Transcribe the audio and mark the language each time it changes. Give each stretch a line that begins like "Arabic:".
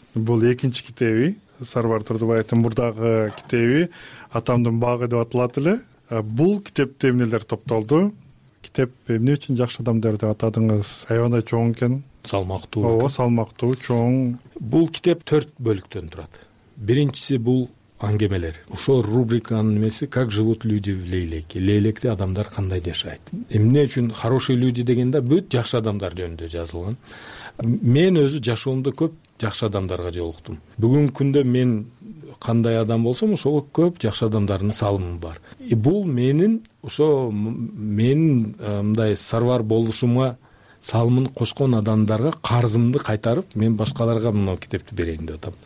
Kyrgyz: Бул 2 китеби. Сарвар Турдибоевтин мурдагы китеби «Атамдын багы» деп аталат эле. Бул китепте эмнелер топтолду? Китеп эмне үчүн жакшы адамдар деп атадыңыз? Аябай чоң экен. Салмактуу. Ооба, салмактуу, чоң. Бул китеп 4 бөлүктөн турат. Биринчиси бул аңгемелер. Ошол рубриканын эмеси
Russian: «Как живут люди в Лейлеке?»
Kyrgyz: Лейлекте адамдар кандай жашайт? Эмне үчүн
Russian: «Хорошие люди»
Kyrgyz: дегенде бүт жакшы адамдар жөнүндө жазылган? Мен өзү жашоомдо көп жакшы адамдарга жолуктум. Бүгүнкү күндө мен кандай адам болсом, ошол көп жакшы адамдардын салымы бар. Бул менин ошо менин мындай Сарвар болушума салымын кошкон адамдарга карзымды кайтарып, мен башкаларга муну китепти берейин деп атам.